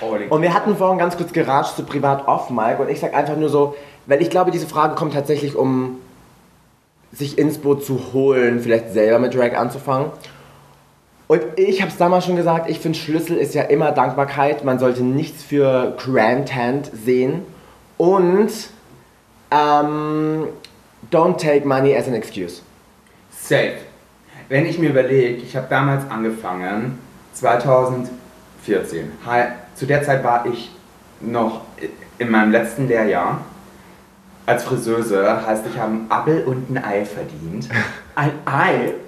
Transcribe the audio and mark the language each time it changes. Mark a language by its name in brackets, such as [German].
[German] Und wir hatten vorhin ganz kurz geratscht zu so privat off Mike und ich sag einfach nur so, weil ich glaube, diese Frage kommt tatsächlich, um sich Inspo zu holen, vielleicht selber mit Drag anzufangen. Und ich hab's damals schon gesagt, ich finde Schlüssel ist ja immer Dankbarkeit. Man sollte nichts für granted sehen. [English] Und don't take money as an excuse. Safe. [German] Wenn ich mir überlege, ich habe damals angefangen, 2014. Hi. Zu der Zeit war ich noch in meinem letzten Lehrjahr als Friseuse. Heißt, ich habe ein Appel und ein Ei verdient. Ein Ei?